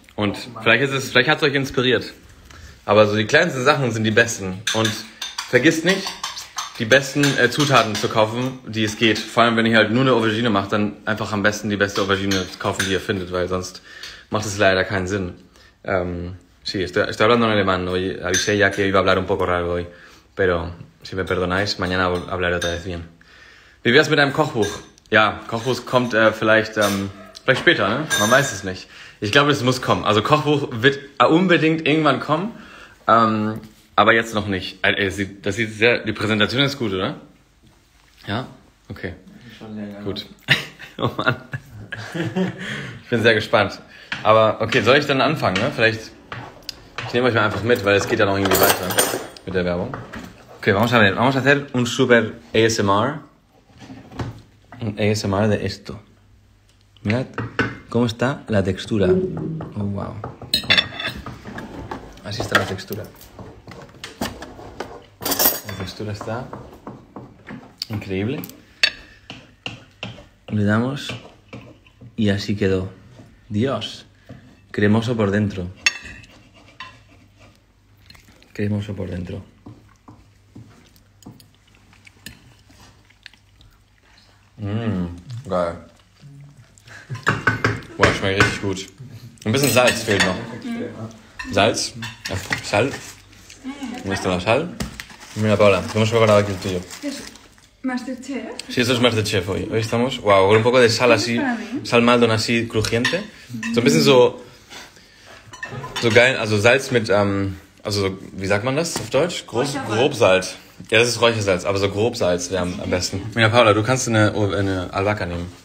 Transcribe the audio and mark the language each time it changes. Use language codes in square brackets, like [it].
[de] Und vielleicht hat es euch inspiriert. Aber so die kleinsten Sachen sind die besten. Und vergisst nicht, die besten Zutaten zu kaufen, die es geht. Vor allem, wenn ihr halt nur eine Aubergine macht, dann einfach am besten die beste Aubergine kaufen, die ihr findet, weil sonst macht es leider keinen Sinn. [es] Sí, estoy hablando en alemán. Hoy avisé ya que iba a hablar un poco raro hoy. Pero, si me perdonáis, mañana hablaré otra vez bien. [de] Wie wär's mit einem Kochbuch? Ja, Kochbuch kommt vielleicht später, ne? Man weiß es nicht. Ich glaube, es muss kommen. Also Kochbuch wird unbedingt irgendwann kommen, aber jetzt noch nicht. Die Präsentation ist gut, oder? Ja? Okay. Schon sehr gut. Oh Mann. Ich bin sehr gespannt. Aber okay, soll ich dann anfangen, ne? Vielleicht... Ich nehme euch mal einfach mit, weil es geht ja noch irgendwie weiter mit der Werbung. [es] Okay, vamos a ver. Vamos a hacer un super ASMR. Un ASMR de esto. Mirad cómo está la textura. Oh, wow. Así está la textura. La textura está increíble. Le damos y así quedó. Dios, cremoso por dentro. Cremoso por dentro. [de] Geil. Boah, schmeckt richtig gut. Ein bisschen Salz fehlt noch. Salz. Sal. Nächste Mal Sal. [es] Mira, Paula, hemos preparado aquí el tuyo. ¿Masterchef? Sí, esto es Masterchef hoy. Hoy estamos... Wow, con un poco de sal así. Sal Maldon así crujiente. [de] So ein bisschen so... So geil, also Salz mit... Also, wie sagt man das auf Deutsch? Grobsalz. Ja, das ist Räuchersalz, aber so Grobsalz wäre am besten. Ja, Paula, du kannst eine Albahaca nehmen.